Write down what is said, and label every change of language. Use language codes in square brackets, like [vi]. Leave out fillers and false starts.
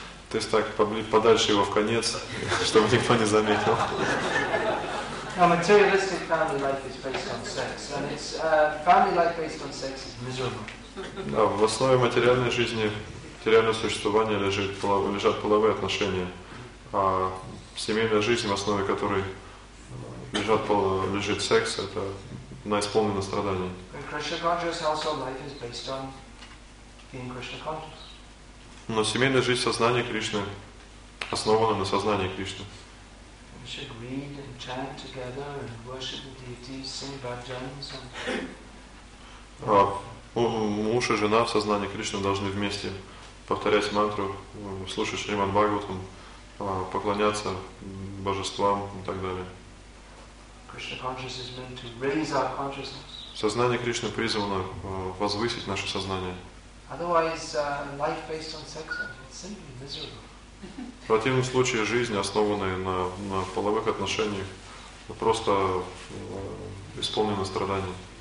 [ru] То есть так, подальше его в конец, чтобы никто не заметил. [en] Now, materialistic family life is based on sex, and it's family life based on sex is miserable. [ru] Да, в основе материальной жизни, материального существования лежат половые отношения, а семейная жизнь, в основе которой лежит секс, это она исполнена страданий. [en] In Krishna conscious household life is based on being Krishna conscious. [ru] Но семейная жизнь сознания Кришны основана на сознании Кришны. [en] We should read and chant together and worship the deities, sing bhajans [ru] Муж и жена в сознании Кришны должны вместе повторять мантру, слушать Шримад Бхагаватам, поклоняться божествам и так далее. [en] Krishna consciousness is meant to raise our consciousness. [ru] Сознание Кришны призвано возвысить наше сознание. [en] Otherwise, life based on sex is simply miserable. [ru] В противном случае жизнь, основанная на половых отношениях, просто исполнена страданий.